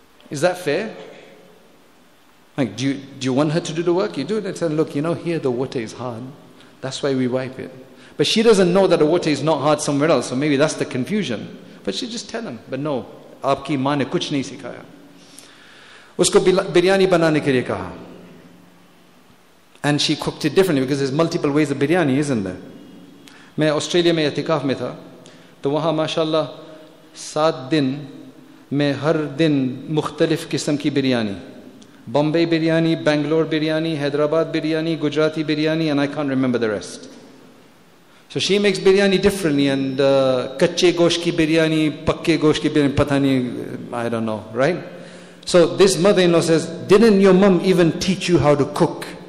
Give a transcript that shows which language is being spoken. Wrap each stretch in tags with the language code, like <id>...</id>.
<en>Is that fair? Like, do you want her to do the work? You do it and say, look, you know, here the water is hard. That's why we wipe it. But she doesn't know that the water is not hard somewhere else. So maybe that's the confusion. But she just tell him. But no,</en> <hi>आपकी मां ने कुछ नहीं सिखाया। उसको बिरयानी बनाने के लिए कहा।</hi> <en>And she cooked it differently because there's multiple ways of biryani, isn't there?</en> <hi>मैं Australia में इतिकाफ़ में था। तो वहां माशाल्लाह, 7 दिन, मैं हर दिन मुख्तलिफ़ किस्म की biryani.</hi> <en>Bombay biryani, Bangalore biryani, Hyderabad biryani, Gujarati biryani, and I can't remember the rest. So she makes biryani differently, and</en> <hi>kache gosht ki biryani, pakke gosht ki biryani, pata nahi,</hi> <en>I don't know, right? So this mother-in-law says, didn't your mom even teach you how to cook?</en>